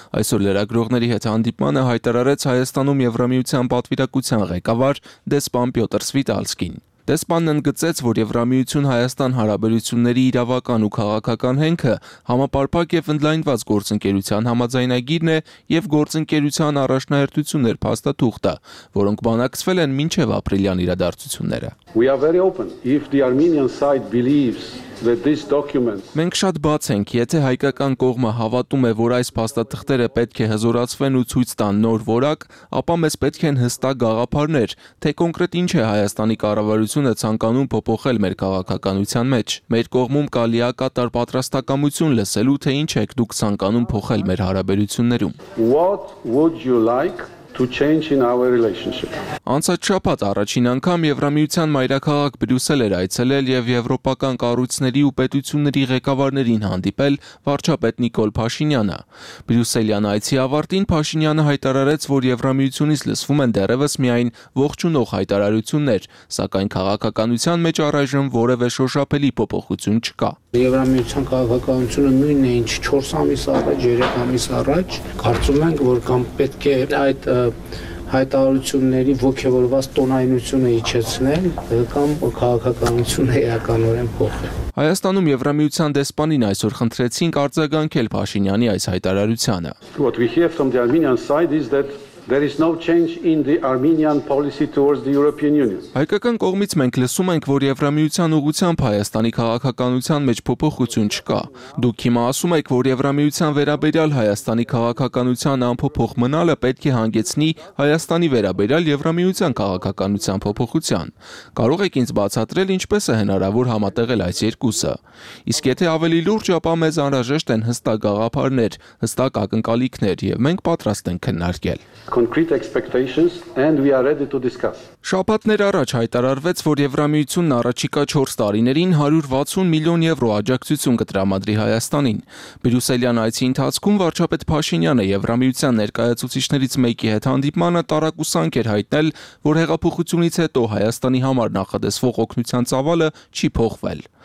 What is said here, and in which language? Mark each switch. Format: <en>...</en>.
<hy>Այսօր լրագրողների հետ հանդիպմանը հայտարարեց Հայաստանում Եվրամիության պատվիրակության ղեկավար դեսպան Պյոտր Սվիտալսկին։ Դեսպանն ընդգծեց, որ Եվրամիություն Հայաստան հարաբերությունների իրավական ու քաղաքական հենքը համապարփակ եւ ընդլայնված գործընկերության համաձայնագիրն է եւ գործընկերության առաջնահերթություններ փաստաթուղթը, որոնք բանակցվել են մինչեւ ապրիլյան իրադարձությունները։</hy> <en>We are very open if the Armenian side believes that this document.</en> <hy>Մենք շատ բաց ենք, եթե հայկական կողմը հավատում է, որ այս փաստաթղթերը պետք է հզորացվեն ու ցույց տան նոր որակ, ապա մեզ պետք են հստակ գաղափարներ, թե կոնկրետ ինչ է Հայաստանի կառավարությունը ցանկանում փոփոխել մեր քաղաքականության մեջ։ Մեր կողմում կա լիակատար պատրաստակամություն լսելու, թե ինչ եք դուք ցանկանում փոխել մեր հարաբերություններում։</hy> <en>What would you like to change in our relationship.</en> <hy>Անցած շաբաթ առաջին անգամ Եվրամիության մայրաքաղաք Բրյուսել էր այցելել եւ եվրոպական կառույցների ու պետությունների ղեկավարներին հանդիպել վարչապետ Նիկոլ Փաշինյանը։ Բրյուսելյան այցի ավարտին Փաշինյանը հայտարարեց, որ Եվրամիությունից լսվում են դեռևս միայն ողջունող հայտարարություններ, սակայն քաղաքականության մեջ առայժմ որևէ շոշափելի փոփոխություն չկա։ Եվրամիության քաղաքականությունը նույնն է, ինչ 4 ամիս առաջ, 3 ամիս առաջ։ Կարծում ենք, որ կամ պետք է այդ հայտարարությունների ոգևորված տոնայնությունը իջեցնել կամ քաղաքականությունը էականորեն փոխել։ Հայաստանում Եվրամիության դեսպանին այսօր խնդրեցին արձագանքել Փաշինյանի այս հայտարարությանը։</hy> <en>What we hear from the Armenian side is that there is no change in the Armenian policy towards the European Union.</en> <hy>Հայկական կողմից մենք լսում ենք, որ Եվրամիության ուղղությամբ Հայաստանի քաղաքականության մեջ փոփոխություն չկա։ Դուք հիմա ասում եք, որ Եվրամիության վերաբերյալ Հայաստանի քաղաքականության անփոփոխ մնալը պետք է հանգեցնի Հայաստանի վերաբերյալ Եվրամիության քաղաքականության փոփոխության։ Կարող եք ինձ բացատրել, ինչպես է հնարավոր համատեղել այս երկուսը։ Իսկ եթե ավելի լուրջ, ապա մեզ անհրաժեշտ են հստակ գաղափարներ, հստակ ակնկալիքներ, եւ մենք պատրաստ ենք քննարկել։</hy> <en>Concrete expectations and we are ready to discuss.</en> <hy>Շաբաթներ առաջ հայտարարվեց, որ Եվրամիությունն առաջիկա 4 տարիներին 160 միլիոն եվրո աջակցություն կտրամադրի Հայաստանին։ Բրյուսելյան այցի ընթացքում վարչապետ Փաշինյանը Եվրամիության ներկայացուցիչներից մեկի հետ հանդիպմանը տարակուսանք էր հայտնել, որ հեղափոխությունից հետո Հայաստանի համար նախադեсվող օգնության ծավալը չի փոխվել։</hy>